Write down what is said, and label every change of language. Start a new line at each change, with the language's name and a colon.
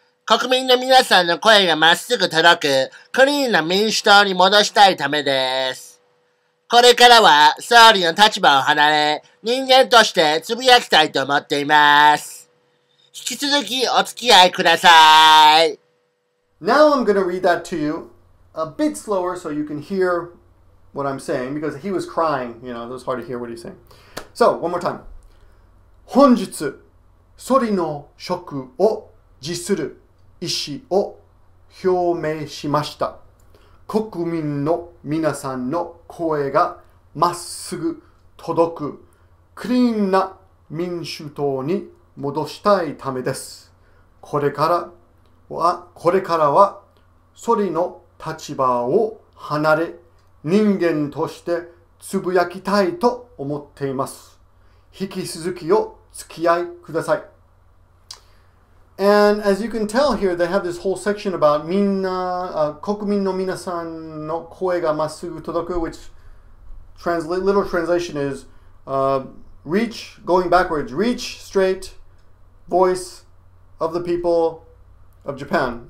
Japanese: 国民の皆さんの声がまっすぐ届く、クリーンな民主党に戻したいためです。これからは、総理の立場を離れ、人間としてつぶやきたいと思っています。引き続きお付き合いください。
English: Now I'm gonna read that to you a bit slower so you can hear what I'm saying, because he was crying, you know, it was hard to hear what he's saying. So, one more time.
Japanese: 本日、総理の職を辞する意思を表明しました。国民の皆さんの声がまっすぐ届く、クリーンな民主党に戻したいためです。これからは、総理の立場を離れ、人間としてつぶやきたいと思っています。引き続きを付き合いください。
English: And as you can tell here, they have this whole section about
Japanese: minna, kokumin no minasan no koe ga massugu todoku,
English: which little translation is, reach, going backwards, reach straight, voice of the people of Japan.